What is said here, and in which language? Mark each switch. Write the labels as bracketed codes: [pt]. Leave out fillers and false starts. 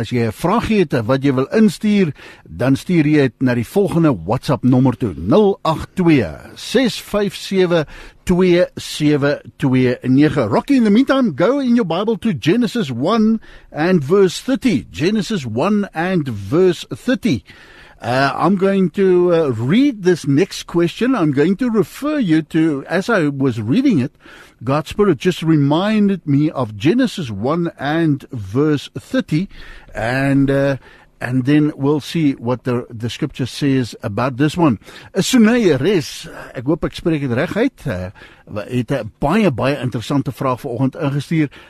[af] As jy 'n vraagie het wat jy wil instuur, dan stuur jy dit na die volgende WhatsApp nommer toe: 082-657-2729. [en] Rocky, in the meantime, go in your Bible to Genesis 1 and verse 30. Genesis 1 and verse 30. I'm going to read this next question. I'm going to refer you to, as I was reading it, God's Spirit just reminded me of Genesis 1 and verse 30. And then we'll see what the scripture says about this one. [af] Sunayeres, ek hoop ek spreek dit reg uit, het 'n baie baie interessante vraag vanoggend ingestuur.